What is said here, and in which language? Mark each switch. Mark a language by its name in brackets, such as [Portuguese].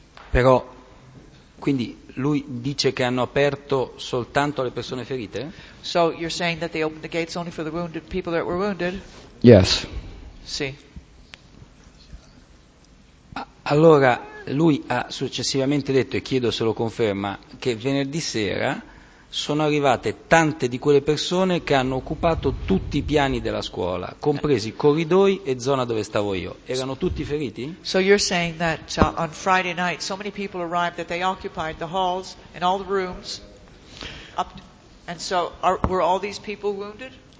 [Italian] Però quindi lui dice che hanno aperto soltanto alle persone ferite? [English] So you're saying that they opened the gates only for the wounded people that were wounded? Yes. [Italian] Sì. Allora, lui ha successivamente detto, e chiedo se lo conferma, che venerdì sera sono arrivate tante di quelle persone che hanno occupato tutti i piani della scuola, compresi corridoi e zona dove stavo io. Erano tutti feriti? [English] So you're saying that on Friday night so many people arrived that they occupied the halls and all the rooms up, and so were all these people wounded?